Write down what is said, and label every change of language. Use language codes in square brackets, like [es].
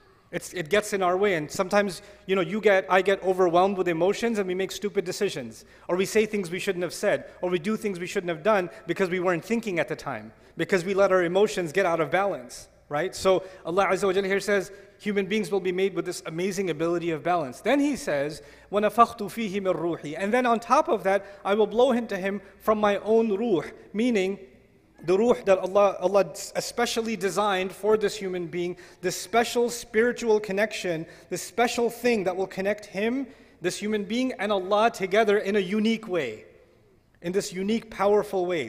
[en] It gets in our way, and sometimes I get overwhelmed with emotions and we make stupid decisions, or we say things we shouldn't have said, or we do things we shouldn't have done because we weren't thinking at the time, because we let our emotions get out of balance, right? So Allah Azza wa Jalla here says human beings will be made with this amazing ability of balance. [ar] Then he says, وَنَفَخْتُ فِيهِ مِنْ رُوحِ. [en] And then on top of that, I will blow into him from my own ruh, meaning the ruh that Allah especially designed for this human being, this special spiritual connection, this special thing that will connect him, this human being, and Allah together in a unique way, in this unique, powerful way.